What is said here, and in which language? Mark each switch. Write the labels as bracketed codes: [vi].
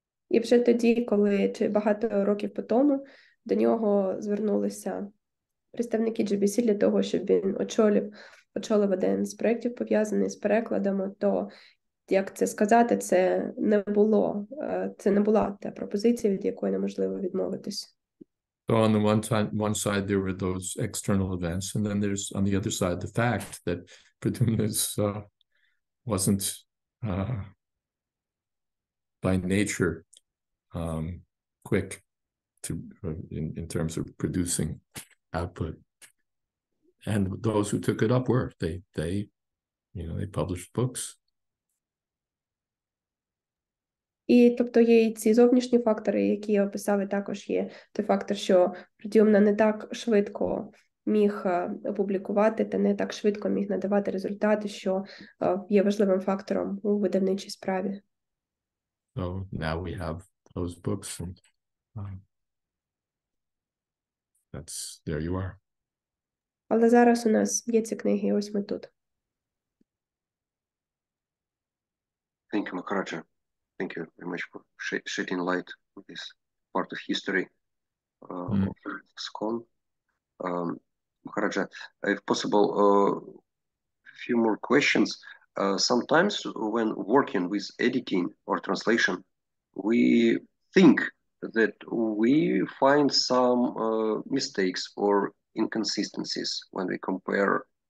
[uk] І вже тоді, коли чи багато років по тому, до нього звернулися представники GBC для того, щоб він очолив один з проєктів, пов'язаний з перекладами, то як це сказати, це не була та пропозиція, від якої неможливо відмовитись. [en] So on the one side there were those external events, and then there's on the other side the fact that Pradyumna wasn't by nature quick to in terms of producing output. And those who took it up were they published books. [uk] І тобто є і ці зовнішні фактори, які я описав, і також є той фактор, що Прадьомна не так швидко міг опублікувати та не так швидко міг надавати результати, що є важливим фактором у видавничій справі. [en] So now we have those books and that's there you are. [uk] Але зараз у нас є ці книги, і ось ми тут. [en] Thank you, Макараджа. Thank you very much for shedding light on this part of history. Скон. Махараджа, if possible, a few more questions. Sometimes when working with editing or translation, we think that we find some mistakes or inconsistencies when we compare.